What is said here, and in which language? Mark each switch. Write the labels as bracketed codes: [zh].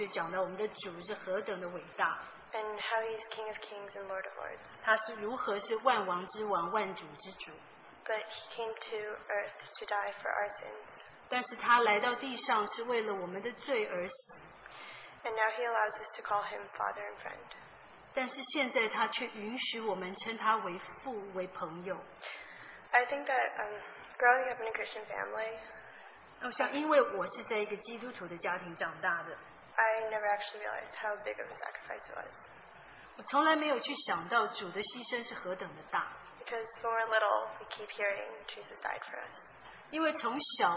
[zh] 那第二天在我们讨论交通的时候，我们就讲到我们的主是何等的伟大。 [en] And how he is King of Kings and Lord of Lords. [zh] 他是如何是万王之王，万主之主。 [en] But he came to earth to die for our sins. [zh] 但是他来到地上是为了我们的罪而死。 [en] And now he allows us to call him father and friend. [zh] 但是现在他却允许我们称他为父，为朋友。 [en] I think that growing up in a Christian family, [zh] 我想因为我是在一个基督徒的家庭长大的。 [en] I never actually realized how big of a sacrifice it was. [zh] 我从来没有去想到主的牺牲是何等的大。 [en] Because when we're little, we keep hearing Jesus died for us.